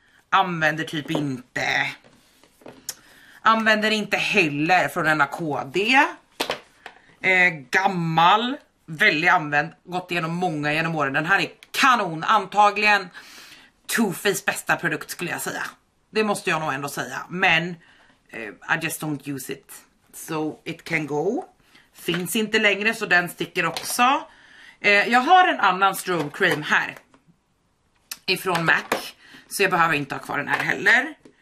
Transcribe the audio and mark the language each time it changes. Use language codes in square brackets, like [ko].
[sv] Använder typ inte. Använder inte heller från denna KD. Gammal. Väldigt använd, gått igenom många genom åren. Den här är kanon, antagligen Too Faced bästa produkt skulle jag säga. Det måste jag nog ändå säga. Men [en] I just don't use it, so it can go. [sv] Finns inte längre, så den sticker också. Jag har en annan strobe cream här ifrån MAC, så jag behöver inte ha kvar den här heller.